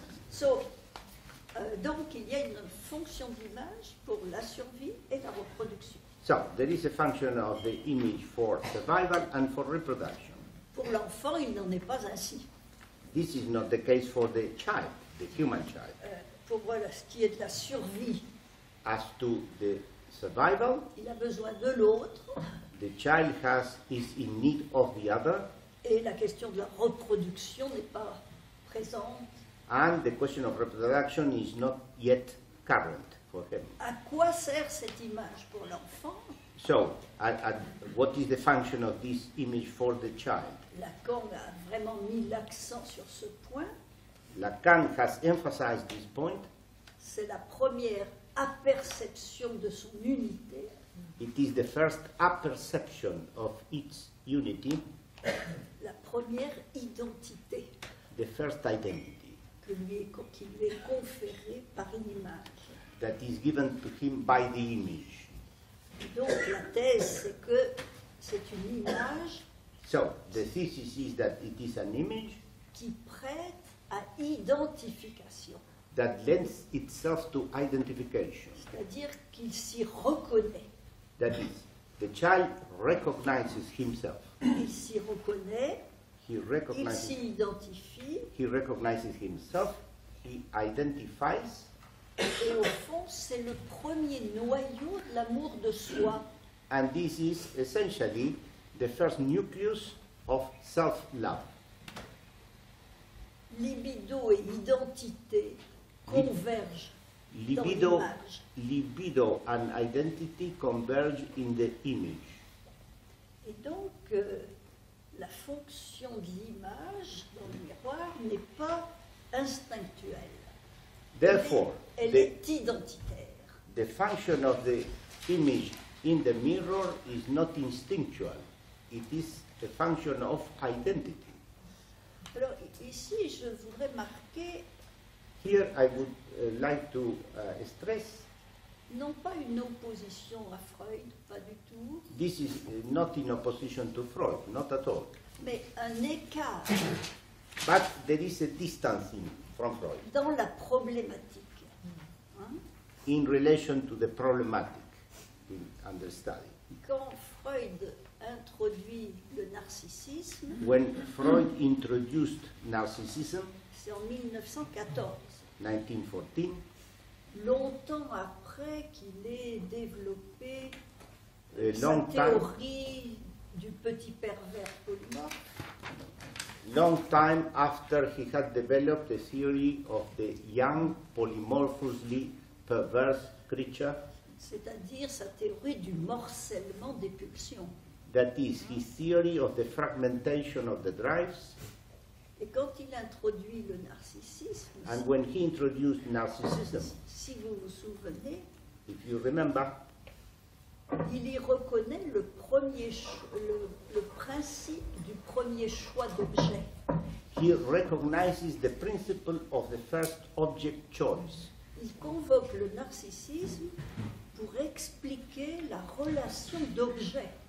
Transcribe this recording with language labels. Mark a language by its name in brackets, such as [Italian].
[French] So, donc, il y a une fonction d'image pour la survie et la reproduction. [English] So, there is a function of the image for survival and for reproduction. [French] Pour l'enfant, il n'en est pas ainsi. [English] This is not the case for the child, the human child. [French] Pour voilà ce qui est de la survie. [English] As to the survival. [French] Il a besoin de l'autre. [English] The child has is in need of the other. [French] Et la question de la reproduction n'est pas présente. [English] And the question of reproduction is not yet current for him. [French] À quoi sert cette image pour l'enfant? [English] So, what is the function of this image for the child? [French] Lacan a vraiment mis l'accent sur ce point. [English] Lacan has emphasized this point. [French] C'est la première apperception de son unité. [English] It is the first apperception of its unity. [French] La première identité. [English] The first identity. [French] Qui lui est conférée par une image. [English] That is given to him by the image. [French] Donc la thèse c'est que c'est une image. [English] So the thesis is that it is an image [French] qui prête à identification. [English] That lends itself to identification. [French] C'est-à-dire qu'il s'y reconnaît. [English] That is, the child recognizes himself. [French] Il s'y reconnaît. [English] He recognizes. [French] Il s'y identifie. [English] He recognizes himself. He identifies. [French] Et au fond, c'est le premier noyau de l'amour de soi. [English] And this is essentially the first nucleus of self-love. [French] Libido et identité convergent libido, dans l'image. [English] Libido and identity converge in the image. [French] Et donc, la fonction de l'image dans le miroir n'est pas instinctuelle. [English] Therefore, [French] elle est identitaire. [English] The function of the image in the mirror is not instinctual. It is a function of identity. [French] Alors, ici, je voudrais marquer. [English] Here, I would like to stress. [French] Non pas une opposition à Freud, pas du tout. [English] This is not in opposition to Freud, not at all. [French] Mais un écart. [English] But there is a distancing from Freud. [French] Dans la problématique. [English] In relation to the problematic in understanding. [French] Quand Freud introduit le narcissisme, [English] when Freud introduced narcissism, [French] c'est en 1914. [English] 1914. [French] Longtemps après qu'il ait développé la théorie du petit pervers polymorphe. [English] Long time after he had developed the theory of the young polymorphously perverse creature, [French] c'est-à-dire sa théorie du morcellement des pulsions. [English] That is his theory of the fragmentation of the drives. [French] Et quand il introduit le narcissisme, [English] and when he introduced narcissism, [French] si vous vous souvenez, [English] if you remember, [French] il y reconnaît le premier le principe du premier choix d'objet. [English] He recognizes the principle of the first object choice. [French] Il convoque le narcissisme pour expliquer la relation d'objet.